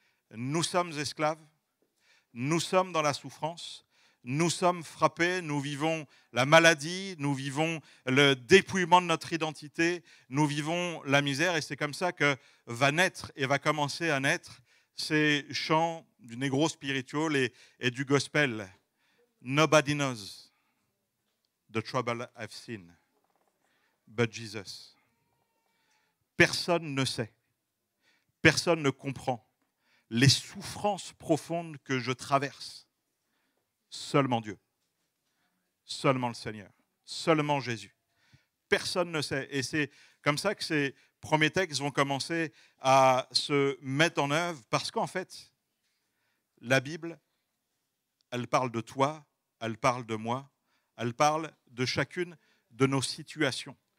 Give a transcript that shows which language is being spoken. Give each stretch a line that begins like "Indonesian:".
French: Nous sommes esclaves, nous sommes dans la souffrance, nous sommes frappés, nous vivons la maladie, nous vivons le dépouillement de notre identité, nous vivons la misère, et c'est comme ça que va naître et va commencer à naître ces chants du négro spiritual et du gospel.
English: Nobody knows the trouble I've seen, but Jesus.
French: Personne ne sait, personne ne comprend les souffrances profondes que je traverse. Seulement Dieu, seulement le Seigneur, seulement Jésus. Personne ne sait. Et c'est comme ça que ces premiers textes vont commencer à se mettre en œuvre, parce qu'en fait, la Bible, elle parle de toi, elle parle de moi, elle parle de chacune de nos situations.